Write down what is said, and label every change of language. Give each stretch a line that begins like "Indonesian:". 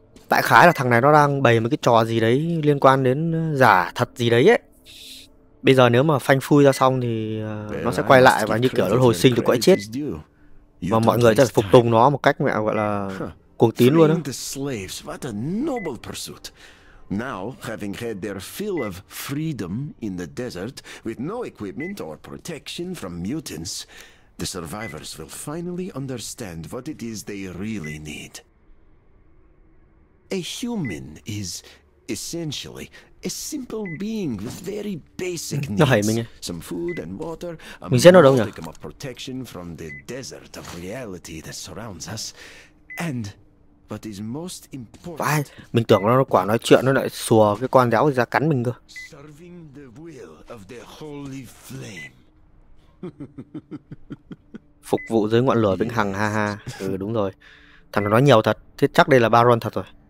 Vietnamese: Đại khái là thằng này nó đang bày một cái trò gì đấy liên quan đến giả thật gì đấy ấy. Bây giờ nếu mà phanh phui ra xong thì nó sẽ quay lại và như kiểu nó hồi sinh từ cõi chết. Và mọi người sẽ phục tùng nó một cách mẹ gọi là cuồng tín luôn á.
English: What a noble pursuit. Now, having had their fill of freedom in the desert with no equipment or protection from mutants, the survivors will finally understand what it is they really need. A human is essentially a simple being with very basic needs. Some food and water, a modicum of protection from the desert of reality that surrounds us, and what is most important.
Vietnamese: Mình tưởng nó quả nói chuyện nó lại sùa cái con đéo ra cắn mình cơ.
English: Serving the will of the holy flame.
Vietnamese: Phục vụ dưới ngọn lửa vĩnh hằng, ha ha. Ừ đúng rồi. Thằng nó nói nhiều thật, thế chắc đây là Baron thật rồi.